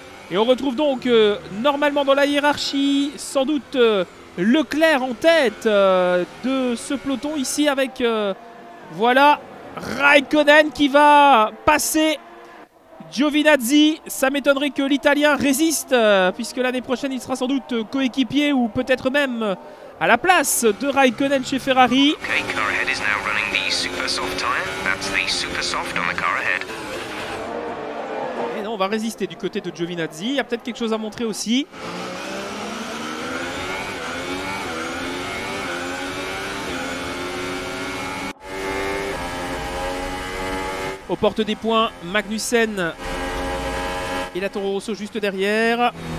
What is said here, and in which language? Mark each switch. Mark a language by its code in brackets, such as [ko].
[fr] Et on retrouve donc normalement dans la hiérarchie, sans doute Leclerc en tête de ce peloton ici avec voilà Raikkonen qui va passer Giovinazzi. Ça m'étonnerait que l'Italien résiste puisque l'année prochaine il sera sans doute coéquipier ou peut-être même à la place de Raikkonen chez Ferrari. [en] Okay, car ahead is now running the super soft tire. That's the super soft on the car ahead. [fr] Et non, on va résister du côté de Giovinazzi. Il y a peut-être quelque chose à montrer aussi. Aux portes des points, Magnussen et la Toro Rosso juste derrière.